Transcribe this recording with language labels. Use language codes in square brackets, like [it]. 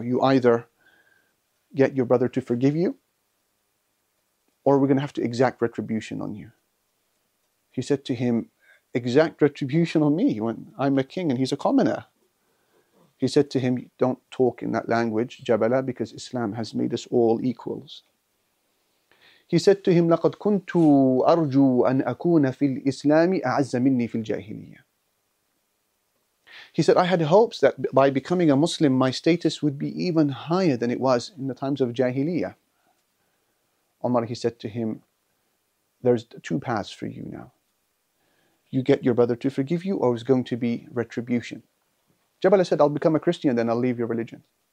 [en] You either get your brother to forgive you, or we're going to have to exact retribution on you. He said to him, exact retribution on me when I'm a king and he's a commoner. He said to him, don't talk in that language, Jabala, because Islam has made us all equals. He said to him, [ar] لَقَدْ كُنْتُ أَرْجُو أَنْ أَكُونَ فِي الْإِسْلَامِ أَعَزَّ مِنِّي فِي الْجَاهِلِيَّةِ. [en] He said, I had hopes that by becoming a Muslim, my status would be even higher than it was in the times of Jahiliyyah. Umar, he said to him, there's two paths for you now. You get your brother to forgive you, or it's going to be retribution. Jabala said, I'll become a Christian, then I'll leave your religion.